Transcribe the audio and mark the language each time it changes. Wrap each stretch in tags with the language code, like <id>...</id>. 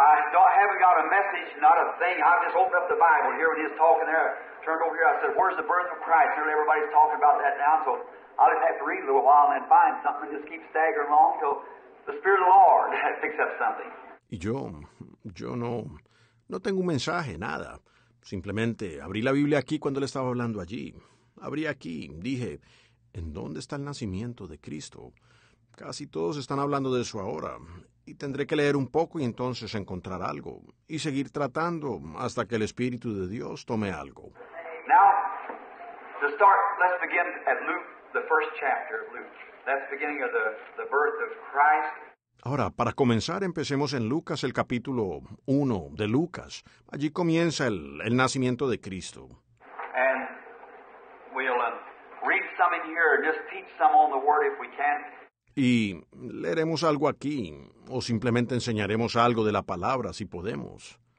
<en>I haven't got a message, not a thing. I just opened up the Bible here when he was talking there. I turned over here, I said, where's the birth of Christ? And everybody's talking about that now, so I'll just have to read a little while and then find something. Just keep staggering along until the Spirit of the Lord picks up something.</en> <es>Y yo no tengo un mensaje, nada. Simplemente abrí la Biblia aquí cuando le estaba hablando allí. Abrí aquí, dije, ¿en dónde está el nacimiento de Cristo? Casi todos están hablando de eso ahora. Y tendré que leer un poco y entonces encontrar algo. Y seguir tratando hasta que el Espíritu de Dios tome algo.</es> <en>Now, to start, let's begin at Luke, the first chapter of Luke. That's the beginning of the birth of Christ.</en> <es>Ahora, para comenzar, empecemos en Lucas, el capítulo 1 de Lucas. Allí comienza el nacimiento de Cristo.</es> <en>And we'll read some in here, or just teach some on the Word if we can.</en> <es>Y leeremos algo aquí, o simplemente enseñaremos algo de la palabra, si podemos.</es>